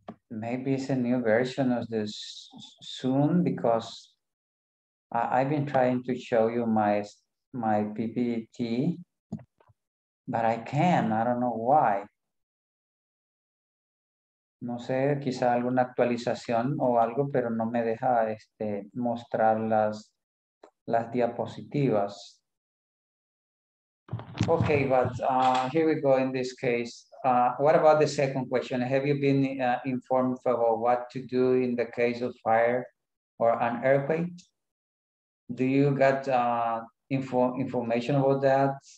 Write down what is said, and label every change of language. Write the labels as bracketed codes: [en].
[en] Maybe it's a new version of this soon, because I've been trying to show you my PPT, but I can. I don't know why. [es] No sé, quizá alguna actualización o algo, pero no me deja mostrar las diapositivas. [en] Okay, but here we go in this case. What about the second question? Have you been informed about what to do in the case of fire or an earthquake? Do you got information about that?